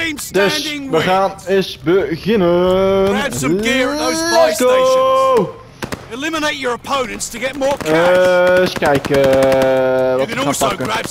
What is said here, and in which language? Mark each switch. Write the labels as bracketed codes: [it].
[nl] Dus we gaan eens beginnen. [en] Let's go! Eliminate your opponents to get more cash. [nl] Eens kijken wat ik ga pakken.